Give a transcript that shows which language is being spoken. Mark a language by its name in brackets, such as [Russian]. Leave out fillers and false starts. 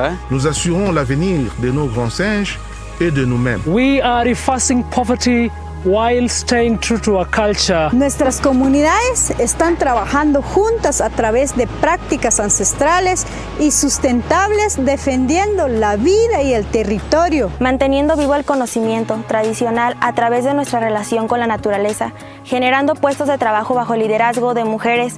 [French] Nous assurons l'avenir de nos grands singes et de nous-mêmes. [English] We are reversing poverty while staying true to our culture. [Spanish] Nuestras comunidades están trabajando juntas a través de prácticas ancestrales y sustentables, defendiendo la vida y el territorio. Manteniendo vivo el conocimiento tradicional a través de nuestra relación con la naturaleza, generando puestos de trabajo bajo el liderazgo de mujeres